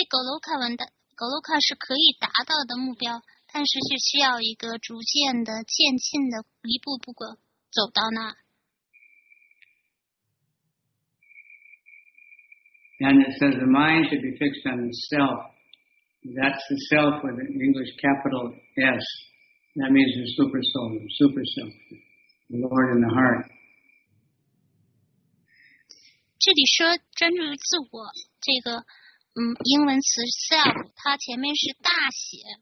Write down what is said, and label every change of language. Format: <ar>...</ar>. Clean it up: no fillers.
<zh>人应该凭着建立在坚定的信念之上的智性，逐步达到神定境界。因此，应该将心意专注于我自我，而不去想别的事情。所以，格鲁卡文的格鲁卡是可以达到的目标。但是是需要一个逐渐的渐进的一步步走到那。And</zh> <en>it says the mind should be fixed on the self. That's the self with an English capital S. That means the super soul, the super self, the Lord in the heart.</en> <zh>这里说专注于自我，这个英文词 self， 它前面是大写。</zh>